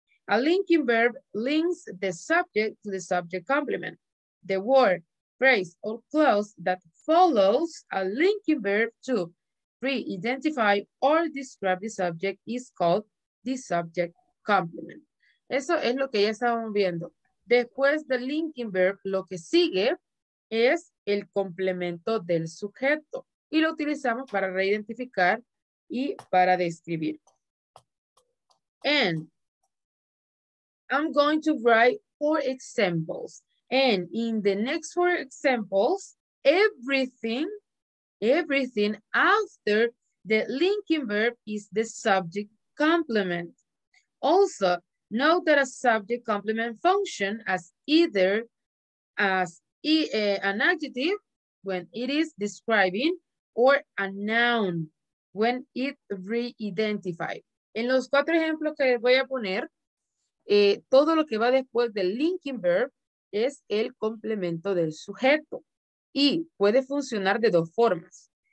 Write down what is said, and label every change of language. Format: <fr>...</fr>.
<en>A linking verb links the subject to the subject complement. The word, phrase, or clause that follows a linking verb to re-identify or describe the subject is called the subject</en> <es>complement. Eso es lo que ya estábamos viendo. Después del linking verb, lo que sigue es el complemento del sujeto y lo utilizamos para reidentificar y para describir.</es> <en>And I'm going to write 4 examples. And in the next 4 examples, everything after the linking verb is the subject complement. Also, note that a subject complement function as either as an adjective when it is describing or a noun when it re-identified.</en> <es>En los 4 ejemplos que voy a poner, todo lo que va después del linking verb es el complemento del sujeto y puede funcionar de 2 formas.</es>